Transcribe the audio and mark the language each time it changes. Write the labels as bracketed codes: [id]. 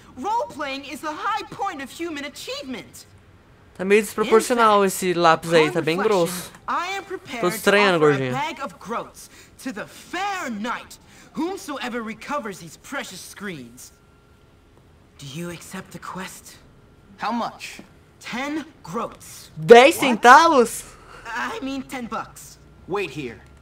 [en] Role playing is the high point of human achievement. [pt] Tá meio desproporcional esse lápis aí, tá bem grosso. [en] I am prepared. [pt] Tô estranhando, gordinho. [en] Bag of groats to the fair knight whomsoever recovers these precious screens. Do you accept the quest? How much? 10 groats. [pt] 10 centavos? [en] I mean 10 bucks. Wait here.